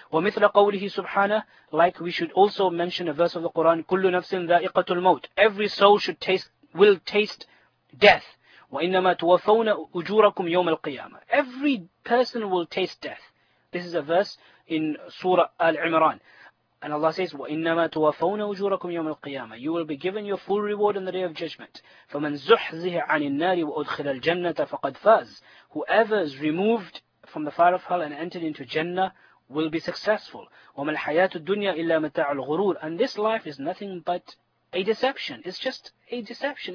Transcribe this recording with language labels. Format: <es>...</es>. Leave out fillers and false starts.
<ar>وَمِثْلَ قَوْلِهِ سُبْحَانَهُ.</ar> <en>Like we should also mention a verse of the Quran,</en> <ar>كُلُّ نَفْسٍ ذَائِقَةُ الْمَوْتِ.</ar> <en>Every soul should taste death.</en> <ar>وَإِنَّمَا تُوَفَّوْنَ أُجُورَكُمْ يَوْمَ الْقِيَامَةِ.</ar> <en>Every person will taste death. This is a verse in Surah Al-Imran. And Allah says,</en> <ar>وَإِنَّمَا تُوَفَّوْنَ أُجُورَكُمْ يَوْمَ الْقِيَامَةِ.</ar> <en>You will be given your full reward on the day of judgment.</en> <ar>فَمَنْ زُحْزِهِ عَنِ النَّارِ وَأُدْخِلَ الْجَنَّةَ فَقَدْ فَازْ.</ar> <en>Whoever is removed from the fire of hell and entered into Jannah will be successful.</en> <ar>وَمَا الْحَيَاةُ الدُّنْيَا إِلَّا مَتَاعُ الْغُرُورِ.</ar> <en>And this life is nothing but a deception. It's just a deception.</en>